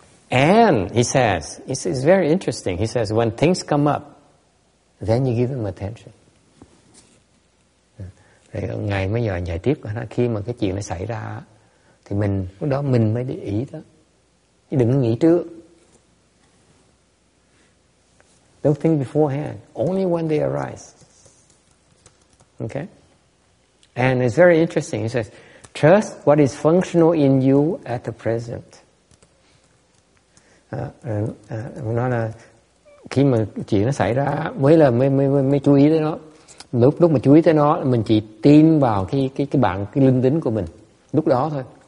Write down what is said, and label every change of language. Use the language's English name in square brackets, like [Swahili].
[English] 、And he says it's very interesting. He says when things come up, then you give them attention. [Vietnamese] Ngày mới giờ giải tiếp khi mà cái chuyện nó xảy ra thì mình lúc đó mình mới để ý đó chứ đừng nghĩ trước. [English] Don't think beforehand. Only when they arise. Okay? And it's very interesting. He says, trust what is functional in you at the present. [Vietnamese] Nó là khi mà chuyện nó xảy ra mới là mới chú ý tới nó. Lúc mà chú ý tới nó, mình chỉ tin vào cái bản, cái linh tính của mình. Lúc đó thôi.